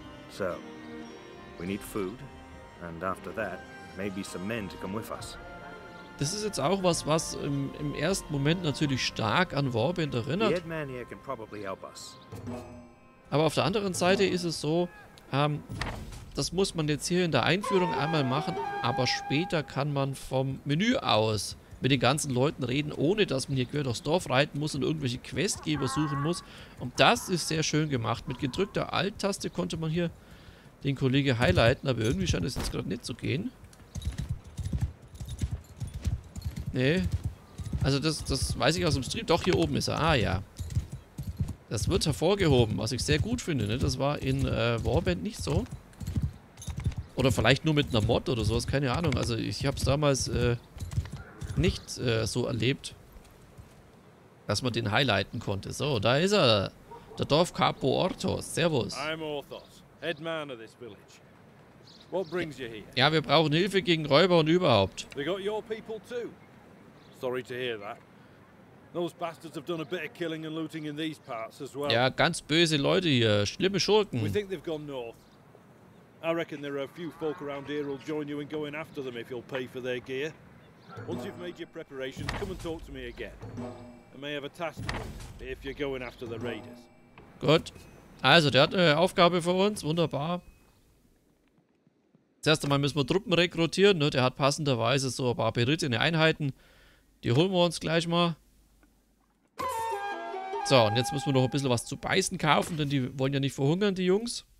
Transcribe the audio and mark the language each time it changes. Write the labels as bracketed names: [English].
[English] So, we need food, and after that, maybe some men to come with us. [German] Das ist jetzt auch was, was im ersten Moment natürlich stark an Warbind erinnert. [English] The headman here can probably help us. [German] Aber auf der anderen Seite ist es so, das muss man jetzt hier in der Einführung einmal machen, aber später kann man vom Menü aus mit den ganzen Leuten reden, ohne dass man hier quer durchs Dorf reiten muss und irgendwelche Questgeber suchen muss. Und das ist sehr schön gemacht. Mit gedrückter Alt-Taste konnte man hier den Kollege highlighten, aber irgendwie scheint es jetzt gerade nicht zu gehen. Nee. Also das weiß ich aus dem Stream. Doch, hier oben ist er. Ah, ja. Das wird hervorgehoben, was ich sehr gut finde. Ne? Das war in Warband nicht so. Oder vielleicht nur mit einer Mod oder sowas. Keine Ahnung. Also ich habe es damals... nicht so erlebt, dass man den highlighten konnte. So, da ist er. Der Dorfkapo Orthos. Servus. [English] I'm Orthos, headman of this village. What brings you here? [German] Ja, wir brauchen Hilfe gegen Räuber und überhaupt. [English] They got your people too. Sorry to hear that. Those bastards have done a bit of killing and looting in these parts as well. [German] Ja, ganz böse Leute hier, schlimme Schurken. [English] We think they've gone north. I reckon there are a few folk around here who'll join you in going after them if you'll pay for their gear. Once you've made your preparations, come and talk to me again. I may have a task for you, if you're going after the raiders. [German] Gut. Also, der hat eine Aufgabe für uns. Wunderbar. Das erste Mal müssen wir Truppen rekrutieren. Ne? Der hat passenderweise so ein paar berittene Einheiten. Die holen wir uns gleich mal. So, und jetzt müssen wir noch ein bisschen was zu beißen kaufen, denn die wollen ja nicht verhungern, die Jungs.